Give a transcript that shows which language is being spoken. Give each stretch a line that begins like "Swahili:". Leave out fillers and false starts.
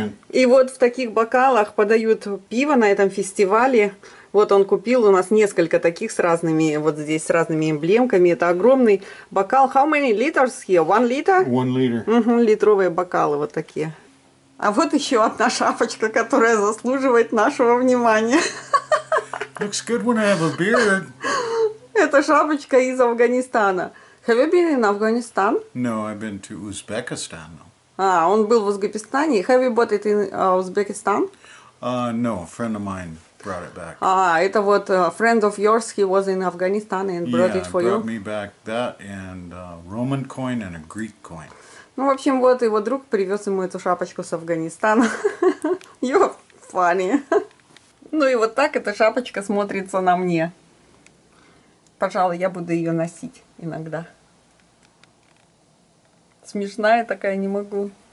Russian: И вот в таких бокалах подают пиво на этом фестивале. Вот он купил у нас несколько таких с разными, вот здесь, с разными эмблемками. Это огромный бокал.
English: How many liters here? 1 liter? 1 liter.
Russian: Угу, литровые бокалы вот такие. А вот еще одна шапочка, которая заслуживает нашего внимания.
English: Looks good when I have a beard.
Russian: Это шапочка из Афганистана.
English: Have you been in Afghanistan? No, I've been to Uzbekistan.
Russian: А, он был в Узбекистане.
English: Have you bought it in Uzbekistan? No, a friend of mine brought it back.
Russian: Это вот
English: friend of yours, he was in Afghanistan and brought yeah, it for you. Yeah, brought me back that and a Roman coin and a Greek coin.
Russian: Ну, в общем, вот его друг привез ему эту шапочку с Афганистана.
English: You're funny.
Russian: Ну и вот так эта шапочка смотрится на мне. Пожалуй, я буду ее носить иногда. Смешная такая, не могу.